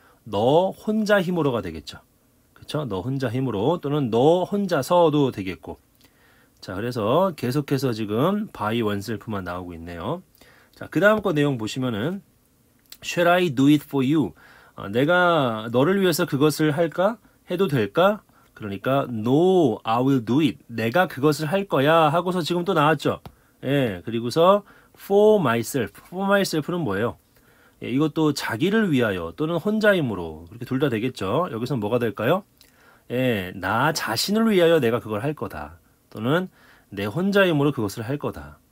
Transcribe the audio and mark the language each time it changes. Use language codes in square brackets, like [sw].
[ko] 너 혼자 힘으로가 되겠죠. 그쵸? 너 혼자 힘으로 또는 너 혼자서도 되겠고. 자, 그래서 계속해서 지금 바이 원셀프만 나오고 있네요. 자, 그 다음 거 내용 보시면은 [en] Shall I do it for you? [ko] 내가 너를 위해서 그것을 할까? 해도 될까? 그러니까 [en] No, I will do it. [ko] 내가 그것을 할 거야 하고서 지금 또 나왔죠. 예, 그리고서 [en] For myself. [ko] For myself는 뭐예요? 예, 이것도 자기를 위하여 또는 혼자 힘으로 그렇게 둘다 되겠죠. 여기서 뭐가 될까요? 예, 나 자신을 위하여 내가 그걸 할 거다. 또는 내 혼자 힘으로 그것을 할 거다.